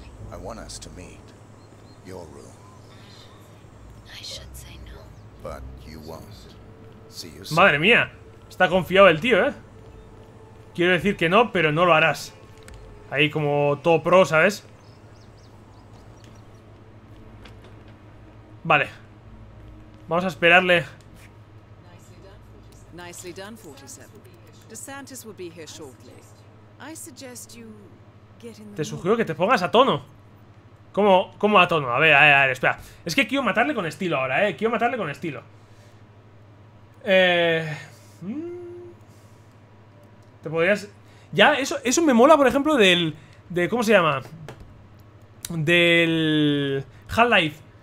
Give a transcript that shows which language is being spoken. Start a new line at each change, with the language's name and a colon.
English: I want us to meet your room. I should say no. But you won't. See you soon.
Spanish: Madre mía, está confiado el tío, ¿eh? Quiero decir que no, pero no lo harás. Ahí como todo pro, ¿sabes? Vale. Vamos a esperarle.
English: Nicely done, 47. DeSantis will be here shortly. I suggest you get in.
Spanish: Te sugiero que te pongas a tono. ¿Cómo a tono? A ver, espera. Es que quiero matarle con estilo ahora, ¿eh? Quiero matarle con estilo. Te podrías... Ya, eso me mola, por ejemplo, del... De, ¿cómo se llama? Del... Half-Life.